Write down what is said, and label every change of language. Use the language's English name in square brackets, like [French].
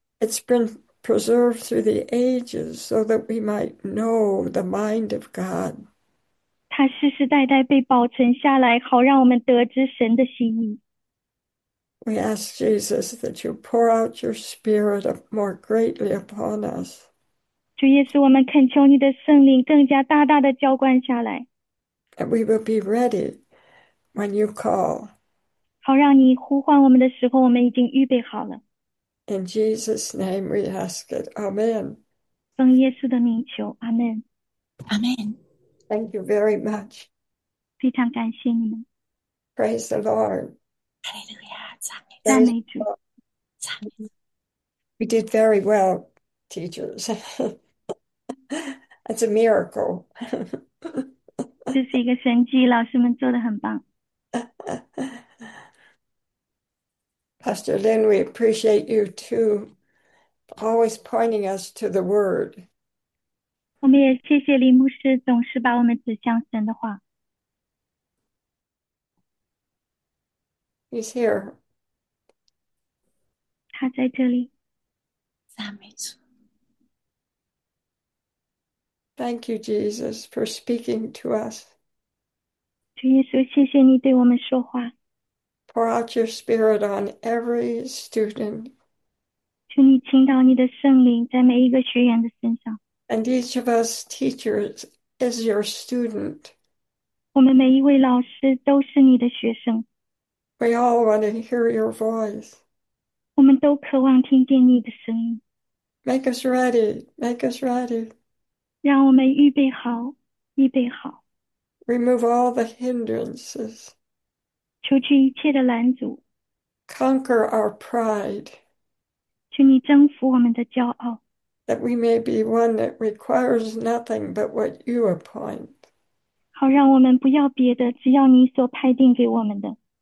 [English] It's been preserved through the ages so that we might know the mind of God. [Chinese] 它世世代代被保存下来，好让我们得知神的心意。 [English] We ask Jesus that you pour out your spirit more greatly upon us. [Chinese] 主耶稣，我们恳求你的圣灵更加大大的浇灌下来。 [English] And we will be ready when you call. [Chinese] 好，让你呼唤我们的时候，我们已经预备好了。 [English] In Jesus' name we ask it. Amen. [Chinese] 奉耶稣的名求，阿门。 [English] Amen. Thank you very much. [Chinese] 非常感谢你们。 [English] Praise the Lord. [Chinese] Hallelujah, 赞 [English] Praise [Chinese] 美主，赞美主。 [English] We did very well, teachers. It's a miracle. [Chinese] 这是一个神迹，老师们做得很棒。 [English] Pastor Lin, we appreciate you too, always pointing us to the Word. [Chinese] 我们也谢谢林牧师，总是把我们指向神的话。 [English] He's here. [Chinese] 他在这里。赞美主。 [English] Thank you, Jesus, for speaking to us. [Chinese] 主耶稣，谢谢你对我们说话。 [English] Pour out your spirit on every student. [Chinese] 求你倾倒你的圣灵在每一个学员的身上。 [English] And each of us teachers is your student. [Chinese] 我们每一位老师都是你的学生。 [English] We all want to hear your voice. [Chinese] 我们都渴望听见你的声音。 [English] Make us ready, make us ready. [Chinese] 让我们预备好，预备好。 [English] Remove all the hindrances. [Chinese] 除去一切的拦阻。 [English] Conquer our pride. [Chinese] 求你征服我们的骄傲。 [English] That we may be one that requires nothing but what you appoint. [Chinese] 好让我们不要别的，只要你所派定给我们的。